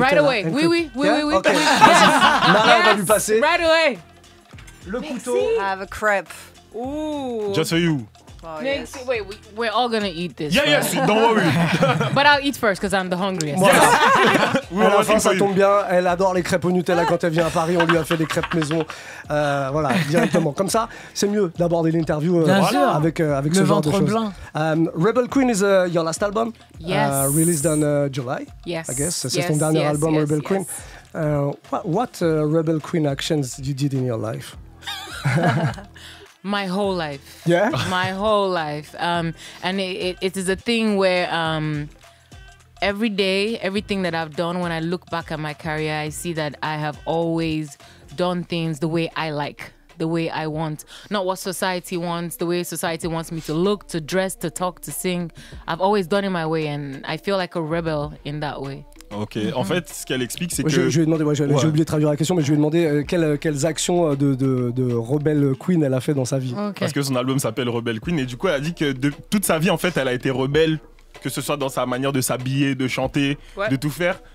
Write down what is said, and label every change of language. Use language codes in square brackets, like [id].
[en] Right away. [fr] Oui, oui, oui, oui, oui. Okay. Yes. Nara, yes. on va lui passer. [en] Right away. [fr] Le Merci. Couteau. [en] I have a crepe. Ooh. Just for you. Oh, yes. Wait, we're all gonna eat this. Yeah, first. Yes, don't worry. But I'll eat first because I'm the hungriest. Yes. [fr] Voilà. Alors, enfin, ça tombe bien. Elle adore les crêpes au Nutella. Quand elle vient à Paris, on lui a fait des crêpes maison. Voilà, directement. Comme ça, c'est mieux d'aborder l'interview avec le ce genre de choses. Le ventre blanc. [en] Rebel Queen is your last album. Yes. Released on July. Yes. I guess. Yes, [fr] c'est ton dernier yes, album, yes, Rebel yes. Queen. [en] What Rebel Queen actions you did in your life? My whole life. Yeah? My whole life. And it is a thing where every day, everything that I've done, when I look back at my career, I see that I have always done things the way I like, the way I want. Not what society wants, the way society wants me to look, to dress, to talk, to sing. I've always done it my way and I feel like a rebel in that way. [fr] Ok, mm-hmm. en fait, ce qu'elle explique, c'est ouais, que... Je vais demander, j'ai oublié de traduire la question, mais je vais demander quelles actions de Rebel Queen elle a fait dans sa vie. [en] Okay. [fr] Parce que son album s'appelle Rebel Queen, et du coup, elle a dit que de toute sa vie, en fait, elle a été rebelle, que ce soit dans sa manière de s'habiller, de chanter, ouais. de tout faire.